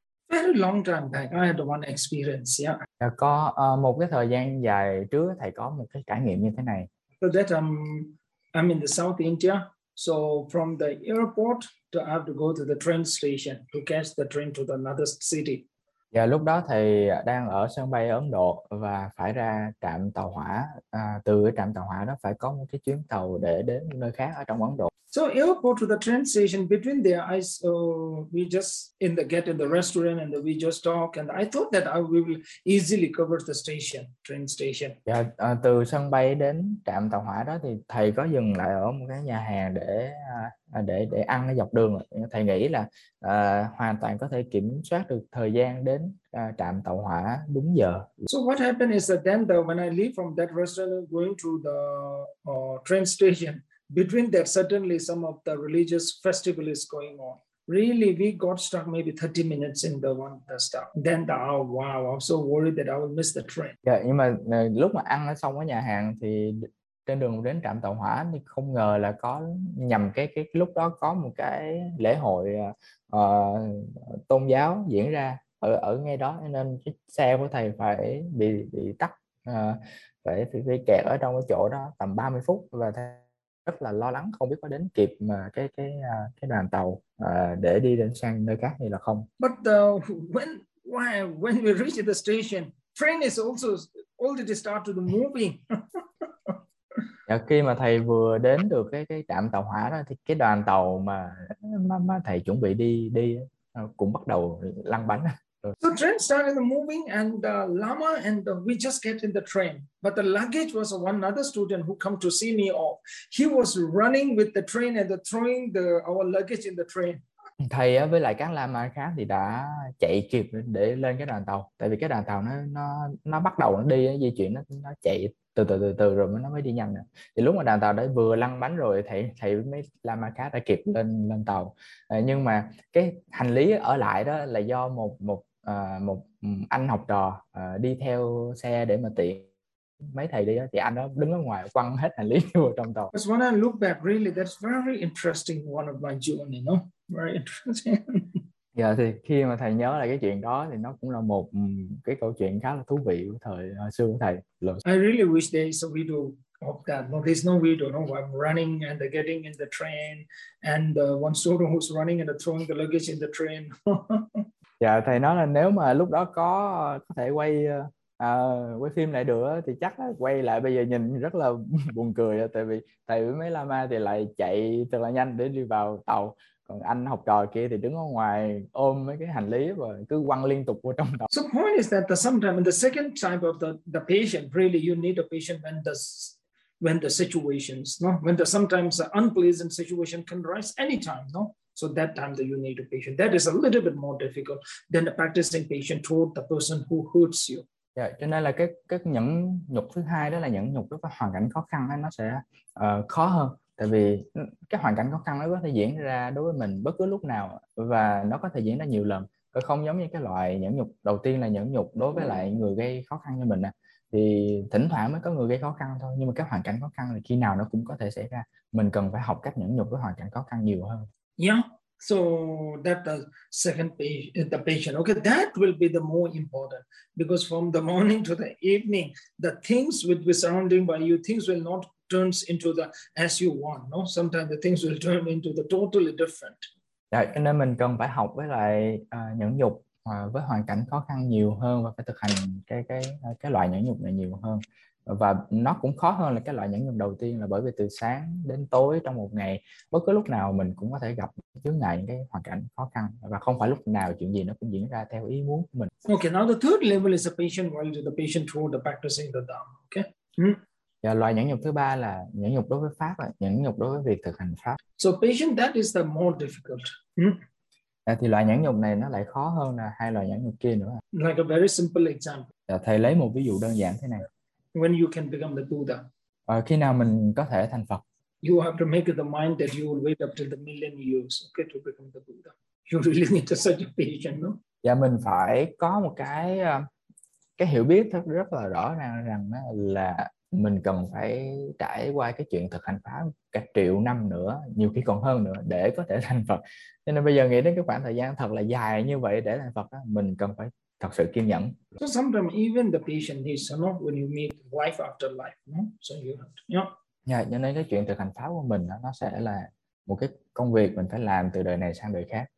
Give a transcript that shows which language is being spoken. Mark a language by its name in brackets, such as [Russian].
[English] Very long time back, I had one experience. Yeah. [Vietnamese] Và có một cái thời gian dài trước thầy có một cái trải nghiệm như thế này. [English] So that I'm in the South India, so from the airport to I have to go to the train station to catch the train to the another city. [Vietnamese] Và lúc đó thì đang ở sân bay ở Ấn Độ và phải ra trạm tàu hỏa, từ cái trạm tàu hỏa đó phải có một cái chuyến tàu để đến nơi khác ở trong Ấn Độ. [English] So you go to the train station between there. I so we just in the get in the restaurant and we just talk and I thought that I will easily cover the station, train station. [Vietnamese] Dạ, từ sân bay đến trạm tàu hỏa đó thì thầy có dừng lại ở một cái nhà hàng để ăn ở dọc đường. Thầy nghĩ là hoàn toàn có thể kiểm soát được thời gian đến trạm tàu hỏa đúng giờ. [English] So what happened is that then the, when I leave from that restaurant going to the train station, between that certainly some of the religious festival is going on. Really, we got stuck maybe 30 minutes in the one the stop. Then the oh wow, I'm so worried that I will miss the train. [Vietnamese] Dạ, nhưng mà lúc mà ăn xong ở nhà hàng thì trên đường đến trạm tàu hỏa thì không ngờ là có nhầm cái lúc đó có một cái lễ hội tôn giáo diễn ra ở ở ngay đó, nên cái xe của thầy phải bị tắc, phải kẹt ở trong cái chỗ đó tầm 30 phút, và thầy rất là lo lắng không biết có đến kịp mà cái đoàn tàu để đi đến sang nơi khác hay là không. [English] But when we reach the station, train is also already start to the moving. [Vietnamese] Dạ, khi mà thầy vừa đến được cái trạm tàu hỏa đó thì cái đoàn tàu mà thầy chuẩn bị đi đi cũng bắt đầu lăn bánh rồi. [English] So train started moving and Lama and we just get in the train. But the luggage was one other student who come to see me off. He was running with the train and throwing the our luggage in the train. [Vietnamese] Thầy với lại các lama khác thì đã chạy kịp để lên cái đoàn tàu, tại vì cái đoàn tàu nó bắt đầu nó đi, nó di chuyển, nó chạy từ từ từ từ rồi nó mới đi nhanh nữa. Thì lúc mà đoàn tàu đã vừa lăn bánh rồi, thầy thầy mấy lama khác đã kịp lên lên tàu. Nhưng mà cái hành lý ở lại đó là do một một một anh học trò đi theo xe để mà tiện mấy thầy đi đó, thì anh đó đứng ở ngoài quăng hết hành lý vào trong tàu. [English] Because when I look back, really, that's very interesting, one of my journey, you know? Very interesting. [Vietnamese] Dạ, thì khi mà thầy nhớ lại cái chuyện đó thì nó cũng là một cái câu chuyện khá là thú vị của thời xưa của thầy. [English] I really wish there is a video of that. No, there's no video. No, I'm running and getting in the train, and one student who's running and throwing the luggage in the train. [Vietnamese] Dạ, thầy nói là nếu mà lúc đó có thể quay quay phim lại được thì chắc quay lại bây giờ nhìn rất là buồn cười, tại vì thầy với mấy lama thì lại chạy thật là nhanh để đi vào tàu, còn anh học trò kia thì đứng ở ngoài ôm mấy cái hành lý và cứ quăng liên tục vô trong tàu. [English] So point is that the sometime in the second time of the patient really you need a patient when the situations no when the sometimes unpleasant situation can rise anytime no so that time that you need a patient that is a little bit more difficult than the practicing patient toward the person who hurts you. [Vietnamese] Dạ, cho nên là cái nhẫn nhục thứ hai đó là nhẫn nhục đối với hoàn cảnh khó khăn ấy, nó sẽ khó hơn, tại vì cái hoàn cảnh khó khăn nó có thể diễn ra đối với mình bất cứ lúc nào và nó có thể diễn ra nhiều lần, và không giống như cái loại nhẫn nhục đầu tiên là nhẫn nhục đối với lại người gây khó khăn cho mình à. Thì thỉnh thoảng mới có người gây khó khăn thôi, nhưng mà cái hoàn cảnh khó khăn thì khi nào nó cũng có thể xảy ra, mình cần phải học cách nhẫn nhục với hoàn cảnh khó khăn nhiều hơn. [English] So that the second page the patient okay that will be the more important because from the morning to the evening the things will be surrounding by you things will not turns into the as you want no sometimes the things will turn into the totally different. [Vietnamese] Đấy, cho nên mình cần phải học với lại nhẫn nhục với hoàn cảnh khó khăn nhiều hơn, và phải thực hành cái loại nhẫn nhục này nhiều hơn, và nó cũng khó hơn là cái loại nhẫn nhục đầu tiên, là bởi vì từ sáng đến tối trong một ngày bất cứ lúc nào mình cũng có thể gặp chướng ngại cái hoàn cảnh khó khăn, và không phải lúc nào chuyện gì nó cũng diễn ra theo ý muốn của mình. [English] Okay, now the third level is the patient while the patient toward the practicing the Dharma. Okay. [Vietnamese] Và loại nhẫn nhục thứ ba là nhẫn nhục đối với pháp, là nhẫn nhục đối với việc thực hành pháp. [English] So patient that is the more difficult. [Vietnamese] Thì loại nhẫn nhục này nó lại khó hơn là hai loại nhẫn nhục kia nữa. [English] Like a very simple example. [Vietnamese] Thầy lấy một ví dụ đơn giản thế này. [English] When you can become the Buddha. [Vietnamese] Khi nào mình có thể thành Phật? [English] You have to make the mind that you will wait up till the million years, okay, to become the Buddha. You really need to such a patient, no? [Vietnamese] Dạ, mình phải có một cái hiểu biết rất là rõ ràng rằng là mình cần phải trải qua cái chuyện thực hành pháp cả triệu năm nữa, nhiều khi còn hơn nữa, để có thể thành Phật. Cho nên bây giờ nghĩ đến cái khoảng thời gian thật là dài như vậy để thành Phật đó, mình cần phải thật sự kiên nhẫn. [English] So sometimes even the patient needs to know when you meet life after life, no? So you have to, [Vietnamese] Dạ, cho nên cái chuyện thực hành pháp của mình đó, nó sẽ là một cái công việc mình phải làm từ đời này sang đời khác.